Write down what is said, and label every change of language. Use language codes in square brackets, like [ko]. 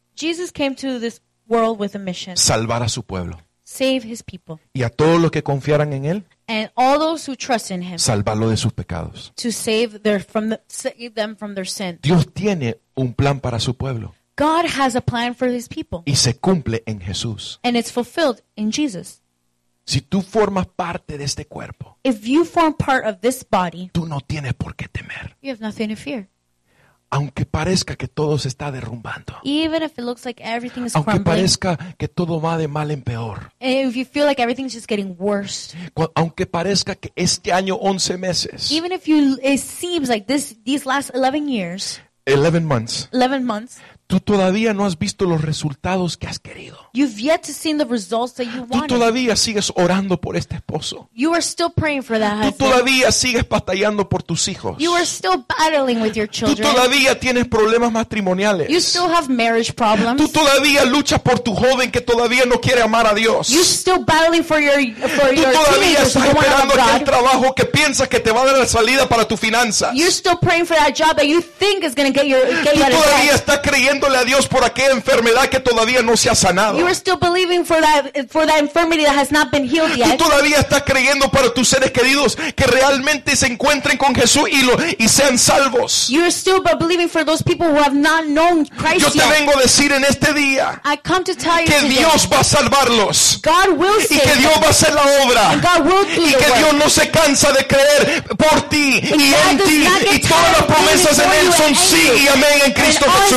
[en] Jesus came to this world with a mission. [es] Salvar a su pueblo. [en] Save his people. [es] Y a todos los que confiaran en él. [en] And all those who trust in him. [es] Salvarlo de sus pecados. [en] To save them from their sin. [es] Dios tiene un plan para su pueblo. [en] God has a plan for his people. [es] Y se cumple en Jesús. [en] And it's fulfilled in Jesus. [es] Si tú formas parte de este cuerpo. [en] If you form part of this body. [es] Tú no tienes por qué temer. [en] You have nothing to fear. [es] Aunque parezca que todo se está derrumbando. [en] Even if it looks like everything is [es] aunque [en] crumbling, [es] parezca que todo va de mal en peor. [en] If you feel like everything's just getting worse. [es] Aunque parezca que este año 11 meses. [en] Even if it seems like these last 11 years. 11 months. 11 months. [es] Tú todavía no has visto los resultados que has querido. [en] You've yet to see the results that you wanted. [es] Tú todavía sigues orando por este esposo. [en] You are still praying for that husband. [es] Tú todavía sigues batallando por tus hijos. [en] You are still battling with your children. [es] Tú todavía tienes problemas matrimoniales. [en] You still have marriage problems. [es] Tú todavía luchas por tu joven que todavía no quiere amar a Dios. [en] You're still battling for your [es] Tú todavía estás esperando aquel trabajo que piensas que te va a dar la salida para tu finanzas. [en] You're still praying for that job that you think is going to get you out of debt. [es] Tú todavía estás creyéndole a Dios por aquella enfermedad que todavía no se ha sanado. [en] You are still believing for that infirmity that has not been healed yet. [es] Tú todavía estás creyendo para tus seres queridos que realmente se encuentren con Jesús y sean salvos. [en] You are still believing for those people who have not known Christ [es] yet. Yo te vengo a decir en este día que Dios va a salvarlos. [en] God will save. [es] Y que Dios va a hacer la obra. [en] And God will do the [es] work. Y que Dios no se cansa de creer por ti y en ti. Y todas las promesas en él son sí y amén en Cristo Jesús.